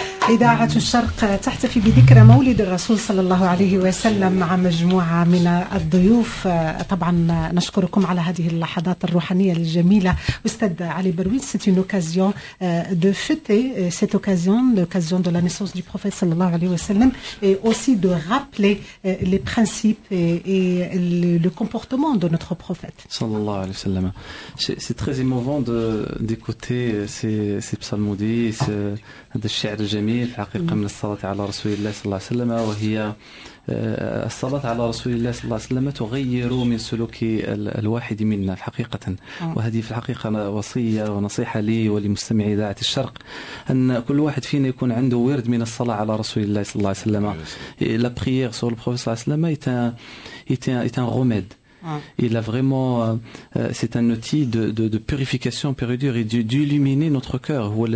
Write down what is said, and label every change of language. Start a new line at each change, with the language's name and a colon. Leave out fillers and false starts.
Arabic: إذاعة الشرق تحتفي بذكرى مولد الرسول صلى الله عليه وسلم مع مجموعة من الضيوف. طبعا نشكركم على هذه اللحظات الروحانية الجميلة.
French: أستاذ علي بروين, c'est une occasion de fêter cette occasion, l'occasion de la naissance du prophète صلى الله عليه وسلم, et aussi de rappeler les principes et le comportement de notre prophète
Arabic: صلى الله عليه وسلم.
French: C'est très émouvant d'écouter ces psalmodies,
Arabic: هذا الشعر الجميل الحقيقة من الصلاة على رسول الله صلى الله عليه وسلم. وهي الصلاة على رسول الله صلى الله عليه وسلم تغير من سلوك الواحد منا الحقيقة. وهذه في الحقيقة وصية ونصيحة لي ولمستمعي إذاعة الشرق, أن كل واحد فينا يكون عنده ورد من الصلاة على رسول الله صلى الله عليه وسلم.
French: La prière sur le prophète صلى الله عليه وسلم est un remède. Il a vraiment, c'est un outil de purification pure et dure et d'illuminer notre cœur.